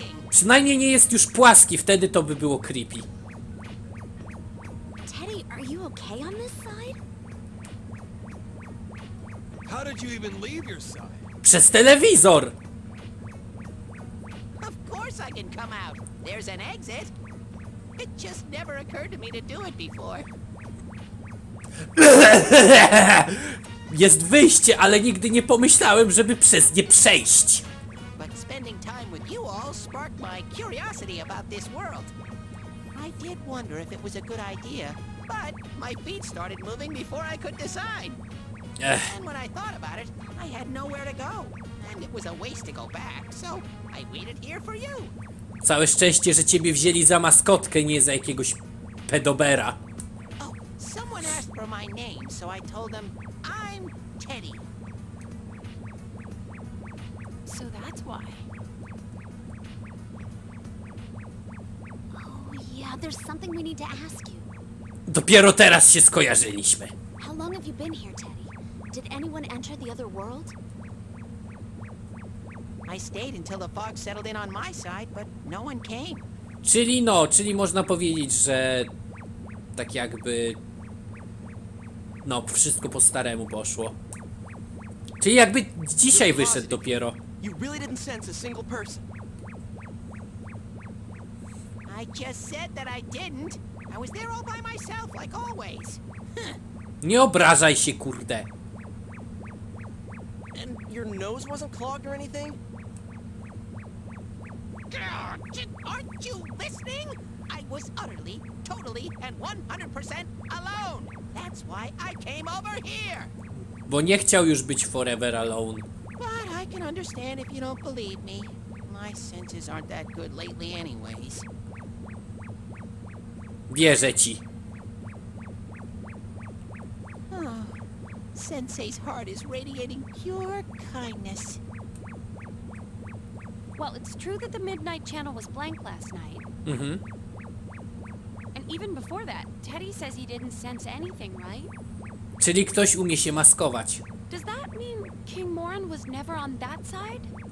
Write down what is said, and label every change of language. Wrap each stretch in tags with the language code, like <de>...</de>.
<pl>Przynajmniej nie jest już płaski, wtedy to by było creepy.</pl> <en>Teddy, are you okay on this side? How did you even leave your side?</en> <pl>Przez telewizor.</pl> <en>Of course I can come out. There's an exit. It just never occurred to me to do it before.</en> <pl>Jest wyjście, ale nigdy nie pomyślałem, żeby przez nie przejść.</pl> <en>But spending time with you all sparked my curiosity about this world. I did wonder if it was a good idea, but my feet started moving before I could decide. And when I thought about it, I had nowhere to go, and it was a waste to go back. So I waited here for you.</en> <pl>Całe szczęście, że ciebie wzięli za maskotkę, nie za jakiegoś pedobera.</pl> <en>Oh, someone asked for my name, so I told them I'm Teddy. So that's why. Oh yeah, there's something we need to ask you.</en> <pl>Dopiero teraz się skojarzyliśmy.</pl> <en>How long have you been here, Teddy? Did anyone enter the other world? I stayed until the fog settled in on my side, but no one came.</en> <pl>Czyli no, czyli można powiedzieć, że tak jakby no wszystko po staremu poszło. Czyli jakby dzisiaj wyszedł dopiero.</pl> <en>You really didn't sense a single person. I just said that I didn't. I was there all by myself, like always.</en> <pl>Nie obrażaj się, kurde.</pl> <en>And your nose wasn't clogged or anything? Aren't you listening? I was utterly, totally, and 100% alone. That's why I came over here.</en> <pl>Bo nie chciał już być</pl> <en>forever alone. But I can understand if you don't believe me. My senses aren't that good lately anyways.</en> <pl>Wierzę ci.</pl> <en>Sensei's heart is radiating pure kindness. Well, it's true that the Midnight Channel was blank last night. Mm-hmm. And even before that, Teddy says he didn't sense anything, right?</en> <pl>Czyli ktoś umie się maskować.</pl> <en>Does that mean King Moran was never on that side?</en>